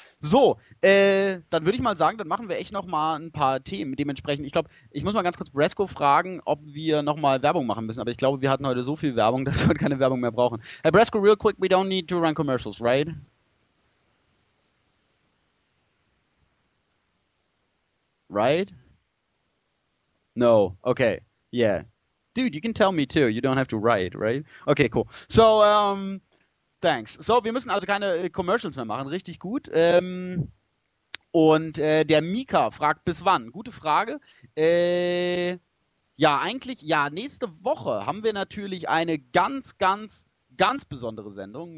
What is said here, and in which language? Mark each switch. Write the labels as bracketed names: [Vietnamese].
[German] So, dann würde ich mal sagen, dann machen wir echt nochmal ein paar Themen dementsprechend. Ich glaube, ich muss mal ganz kurz Bresco fragen, ob wir nochmal Werbung machen müssen. Aber ich glaube, wir hatten heute so viel Werbung, dass wir keine Werbung mehr brauchen. [English] Hey Bresco, real quick, we don't need to run commercials, right? Right? No. Okay. Yeah. Dude, you can tell me too. You don't have to write, right? Okay, cool. So, thanks. [German] So, wir müssen also keine Commercials mehr machen. Richtig gut. Der Mika fragt, bis wann? Gute Frage. Nächste Woche haben wir natürlich eine ganz, ganz, ganz besondere Sendung.